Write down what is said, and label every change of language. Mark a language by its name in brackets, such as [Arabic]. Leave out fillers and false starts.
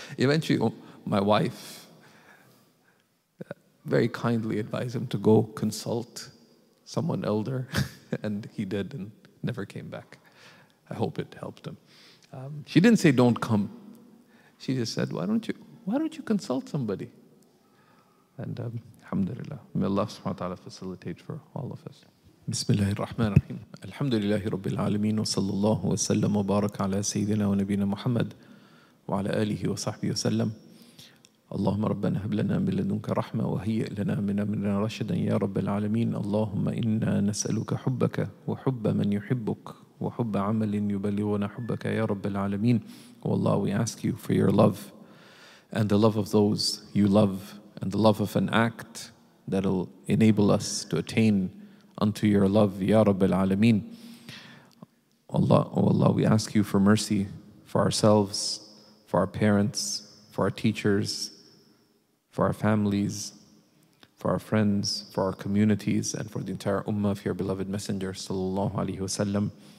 [English] Eventually, my wife very kindly advised him to go consult someone elder, and he did, and never came back. I hope it helped him. She didn't say, don't come. She just said, why don't you consult somebody? And alhamdulillah, may Allah subhanahu wa ta'ala facilitate for all of us. [Arabic] بسم الله الرحمن الرحيم الحمد لله رب العالمين وصلى الله وسلم وبارك على سيدنا ونبينا محمد وعلى آله وصحبه وسلم اللهم ربنا هب لنا من لدنك رحمة وهيئ لنا من أمرنا رشدا يا رب العالمين اللهم إنا نسألك حبك وحب من يحبك وحب عمل يبلغنا حبك يا رب العالمين والله [English] we ask you for your love and the love of those you love and the love of an act that'll enable us to attain unto your love, Ya Rabbil Alameen. Allah, O Allah, we ask you for mercy for ourselves, for our parents, for our teachers, for our families, for our friends, for our communities, and for the entire ummah of your beloved messenger, Sallallahu Alaihi Wasallam.